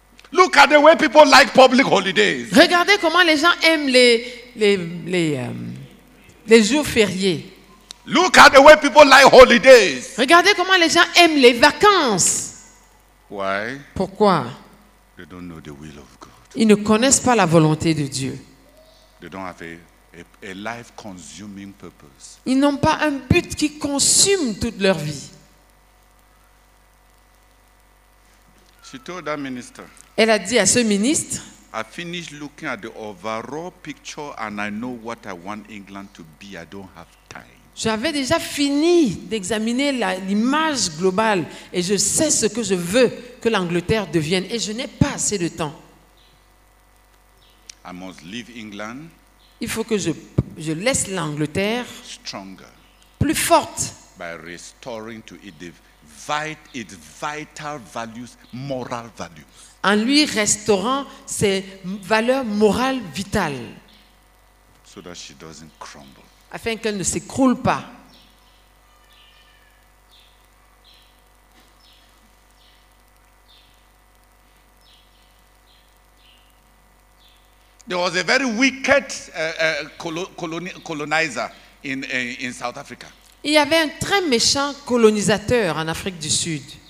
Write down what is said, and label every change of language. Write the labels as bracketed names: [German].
[English] Look at the way people like public holidays. [French] Regardez comment les gens aiment les jours fériés. [English] Look at the way people like holidays. [French] Regardez comment les gens aiment les vacances. [English] Why? [French] Pourquoi? [English] They don't know the will of God. [French] Ils ne connaissent pas la volonté de Dieu. [English] They don't have a life consuming purpose. [French] Ils n'ont pas un but qui consume toute leur vie. [English] She told that minister. [French] Elle a dit à ce ministre, [English] I finished looking at the overall picture and I know what I want England to be. I don't have time. [French] J'avais déjà fini d'examiner l'image globale et je sais ce que je veux que l'Angleterre devienne et je n'ai pas assez de temps. [English] I must leave England. [French] Il faut que je laisse l'Angleterre [English] stronger. [French] Plus forte. [English] By restoring to it its vital values, moral values. [French] En lui restaurant ses valeurs morales vitales. [English] So that she doesn't crumble. [French] Afin qu'elle ne s'écroule pas. [English] There was a very wicked colonizer in South Africa. [French] Il y avait un très méchant colonisateur en Afrique du Sud.